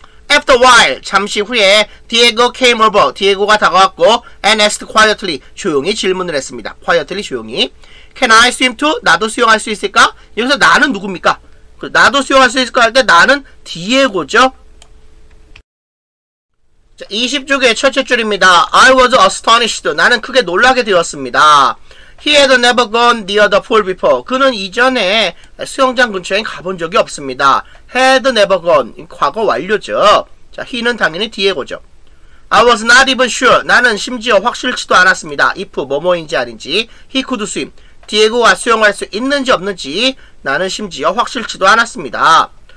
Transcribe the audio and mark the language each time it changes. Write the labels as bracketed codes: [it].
[en] After a while, [ko] 잠시 후에 [en] Diego came over. [ko] Diego가 다가왔고 [en] and asked quietly, [ko] 조용히 질문을 했습니다. [en] Quietly, [ko] 조용히. [en] Can I swim too? [ko] 나도 수영할 수 있을까? 여기서 나는 누굽니까? 나도 수영할 수 있을까 할 때 나는 Diego죠. 자, 20쪽의 첫째 줄입니다. [en] I was astonished. [ko] 나는 크게 놀라게 되었습니다. [en] He had never gone near the pool before. [ko] 그는 이전에 수영장 근처에 가본 적이 없습니다. [en] Had never gone. [ko] 과거 완료죠. 자, he는 당연히 Diego죠. [en] I was not even sure. [ko] 나는 심지어 확실치도 않았습니다. [en] If [ko] 뭐뭐인지 아닌지. [en] He could swim. [ko] Diego가 수영할 수 있는지 없는지 나는 심지어 확실치도 않았습니다.